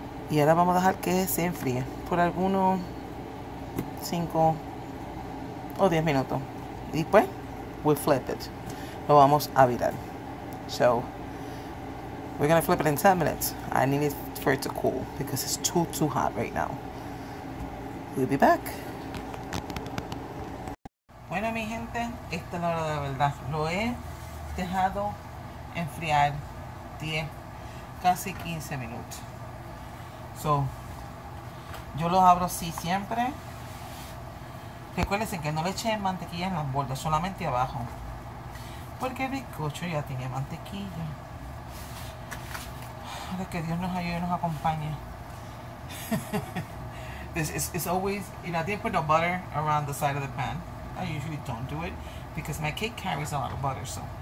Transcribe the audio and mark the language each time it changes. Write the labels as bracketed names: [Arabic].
[Spanish] Y ahora vamos a dejar que se enfríe por algunos 5 o 10 minutos. Y después, [English] we'll flip it. [Spanish] Lo vamos a virar. [English] So, we're going to flip it in 10 minutes. I need it for it to cool because it's too hot right now. We'll be back. [Spanish] Bueno, mi gente, esta es la hora de la verdad. Lo he dejado enfriar 10, casi 15 minutos. So, yo los abro así siempre. Recuérdense que no le echen mantequilla en las bordas, solamente abajo. Porque el bizcocho ya tiene mantequilla. Ahora que Dios nos ayude y nos acompañe. [English] It's always, you know, I didn't put no butter around the side of the pan. I usually don't do it because my cake carries a lot of butter, so.